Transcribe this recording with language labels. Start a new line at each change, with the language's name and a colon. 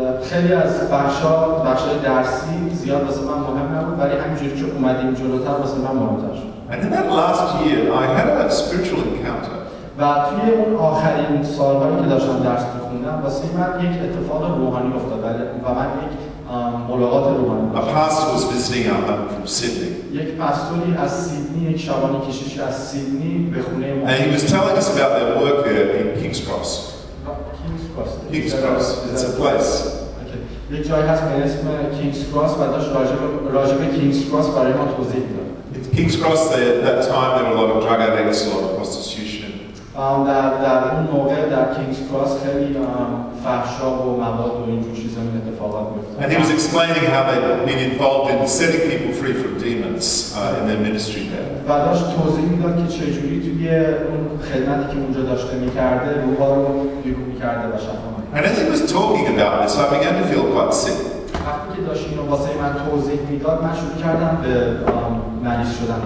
Persian: خیلی از بخش‌های درسی زیاد واسه من مهم نبود ولی همینجوری که اومدیم جلوتر واسه من مهم‌تر شد
English: And in that last year I had a spiritual encounter
Persian: و توی اون آخرین سالهایی که داشتم درس می‌خوندم واسه من یک اتفاق روحانی افتاد و من یک ملاقات روحانی داشتم.
English: A pastor was visiting our home from Sydney.
Persian: یک پاستوری از سیدنی، یک شبانی کشیشی از سیدنی به خونه ما.
English: And he was telling us about their work there in King's Cross. King's Cross. King's Cross. It's a place.
Persian: یک جایی هست به اسم King's Cross و داشت راجب King's Cross برای ما توضیح می‌داد.
English: At King's Cross, there at that time there were a lot of drug addicts, a lot of prostitution.
Persian: در اون موقع در کینگز کراس خیلی فحشا و مواد و اینجور چیزا می اتفاقات می افتاد.
English: And he was explaining how they had been involved in setting people free from demons in their ministry there.
Persian: و داشت توضیح میداد که چجوری توی اون خدمتی که اونجا داشته میکرده روحا رو بیرون میکرده و شفا میداد.
English: And as he was talking about this, I began to feel quite sick.
Persian: وقتی که داشت اینو واسه من توضیح میداد من شروع کردم به مریض شدن.